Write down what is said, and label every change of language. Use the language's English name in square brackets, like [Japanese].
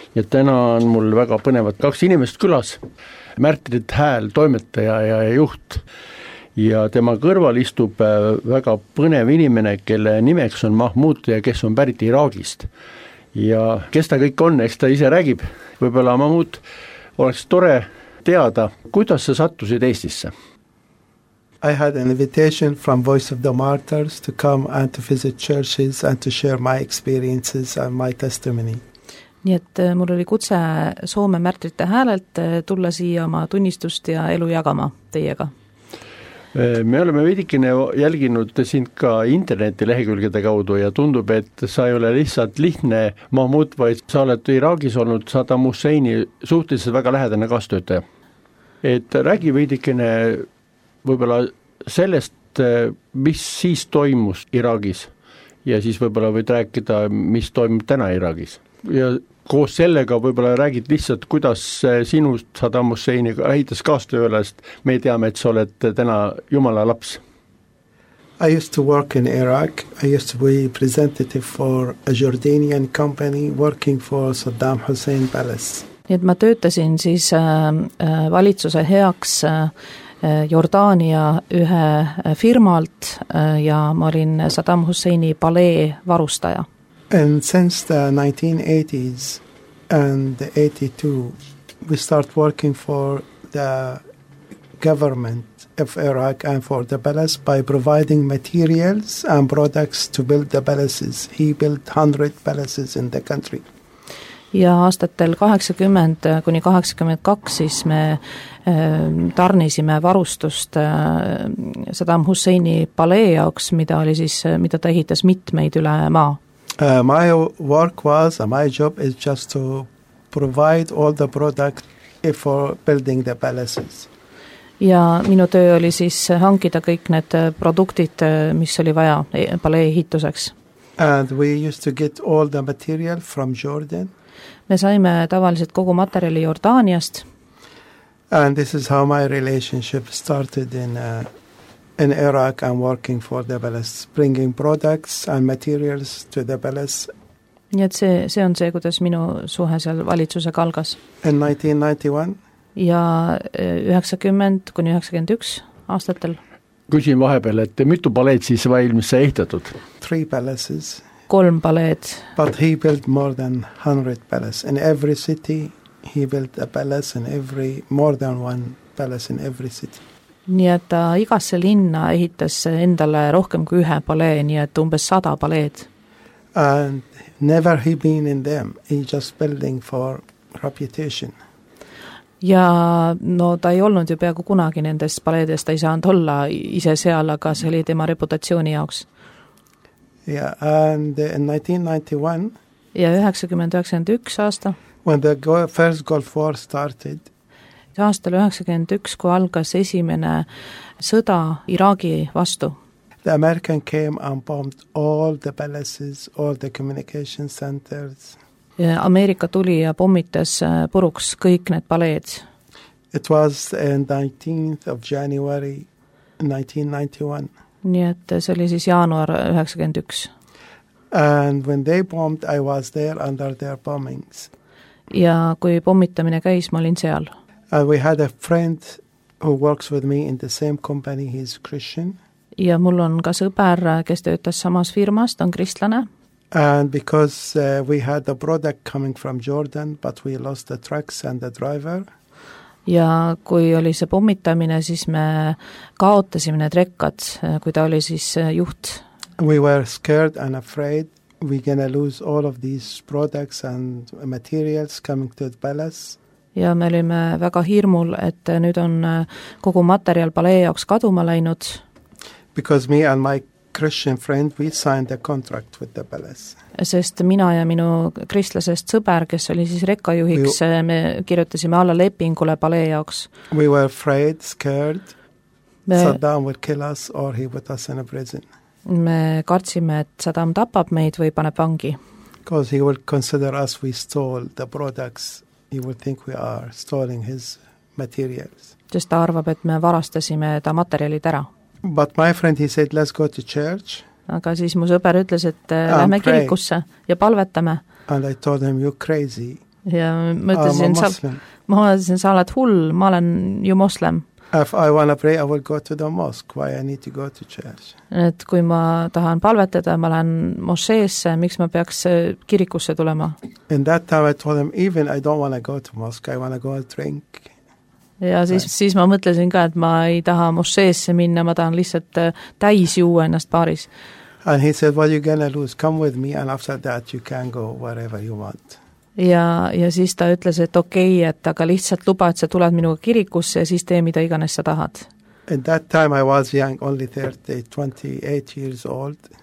[Estonian] Ja täna on mul väga põnevad kaks inimest külas, Märtinit Hääl, toimetaja ja juht. Ja tema kõrval istub väga põnev inimene, kelle nimeks on Mahmud ja kes on pärit Iraagist. Ja kes ta kõik on, eks ta ise räägib, võibolla Mahmud, oleks tore teada, kuidas sa sattusid Eestisse? [English] I had an invitation from Voice of the Martyrs to come and to visit churches and to share my experiences and my testimony. [Estonian] Nii et mul oli kutse Soome märtrite häälelt tulla siia oma tunnistust ja elu jagama teiega. Me oleme veidikene jälginud sind ka interneti lehekülgede kaudu ja tundub, et sa ei ole lihtsalt lihtne Mahmud, vaid sa oled Iraagis olnud Saddam Husseini suhteliselt väga lähedane kaastöötaja. Et räägi veidikene võibolla sellest, mis siis toimus Iraagis ja siis võibolla võid rääkida, mis toimub täna Iraagis. Ja koos sellega võibolla räägid lihtsalt, kuidas sinust Saddam Husseini lähitas kaastööläst. Me teame, et sa oled täna Jumala laps. [English] I used to work in Iraq. I used to be representative for a Jordanian company working for Saddam Hussein Palace. [Estonian] Nii et ma töötasin siis valitsuse heaks Jordaania ühe firmalt ja ma olin Saddam Husseini palee varustaja. [English] And since the 1980s and 82 we start working for the government of Iraq and for the palace by providing materials and products to build the palaces. He built 100 palaces in the country. [Estonian] Ja aastatel 80 kuni 82 siis me tarnisime varustust Saddam Husseini palee jaoks, mida oli siis mida ta ehitas mitmeid üle maa. [English] My work was my job is just to provide all the product for building the palaces. [Estonian] Ja minu töö oli siis hankida kõik need produktid, mis oli vaja palee ehituseks. [English] And we used to get all the material from Jordan. [Estonian] Me saime tavaliselt kogu materjali Jordaaniast. [English] And this is how my relationship started in Iraq and working for the palace, bringing products and materials to the palace. [Estonian] Nii et see on see, kuidas minu suhe seal valitsusega algas. [English] In 1991? [Estonian] Ja 90 kuni 91 aastatel. Küsin vahepeal, et mitu paleed siis valmis sa ehitatud? [English] 3 palaces. [Estonian] 3 paleed. [English] But he built more than 100 palaces. In every city, he built a palace in every, more than one palace in every city. [Estonian] Nii et ta igasse linna ehitas endale rohkem kui ühe palee, nii et umbes 100 paleed. [English] And never he been in them. He just building for reputation. [Estonian] Ja no ta ei olnud ju peaaegu kunagi nendest paleedest, ta ei saanud olla ise seal, aga see oli tema reputatsiooni jaoks. [English] Yeah, and in 1991. [Estonian] Ja 1991 aasta. [English] When the first Gulf War started. [Estonian] Aastal 91, kui algas esimene sõda Iraagi vastu. [English] The American came and bombed all the palaces, all the communication centers. [Estonian] Ja Ameerika tuli ja pommitas puruks kõik need paleed. [English] It was on 19th of January 1991. [Estonian] Nii et see oli siis jaanuar 91. [English] And when they bombed, I was there under their bombings. [Estonian] Ja kui pommitamine käis, ma olin seal. [English] And we had a friend who works with me in the same company, he's Christian. [Estonian] Ja mul on ka sõber, kes töötas samas firmas, ta on kristlane. [English] And because we had the product coming from Jordan, but we lost the trucks and the driver. [Estonian] Ja kui oli see pommitamine, siis me kaotasime need rekkad, kui ta oli siis juht. [English] We were scared and afraid we gonna lose all of these products and materials coming to the palace. [Estonian] Ja me olime väga hirmul, et nüüd on kogu materjal palee jaoks kaduma läinud. [English] Because me and my Christian friend, we signed a contract with the palace. [Estonian] Sest mina ja minu kristlasest sõber, kes oli siis rekkajuhiks, me kirjutasime alla lepingule palee jaoks. [English] We were afraid, scared, Saddam would kill us or he put us in a prison. [Estonian] Me kartsime, et Saddam tapab meid või paneb vangi. [English] Because he will consider us, we stole the products. He will think we are stealing his materials. [Estonian] Sest ta arvab, et me varastasime ta materjalid ära. [English] But my friend, he said, let's go to church. [Estonian] Aga siis mu sõber ütles, et lähme kirikusse ja palvetame. [English] And I told him, you're crazy. [Estonian] Ja mõtlesin, sa oled hull, ma olen ju moslem. [English] If I want to pray, I will go to the mosque. Why I need to go to church? [Estonian] Et kui ma tahan palvetada, ma lähen mosheesse, miks ma peaks kirikusse tulema? [English] In that time I told him, even I don't want to go to mosque, I want to go and drink. [Estonian] Ja siis ma mõtlesin ka, et ma ei taha mosheesse minna, ma tahan lihtsalt täis juua ennast baaris. [English] And he said, what are you going to lose? Come with me and after that you can go wherever you want. [Estonian] Ja siis ta ütles, et okei, okay, et aga lihtsalt luba, et sa tuled minuga kirikusse ja siis tee, mida iganes sa tahad. [English] In that time I was young, only 28 years old.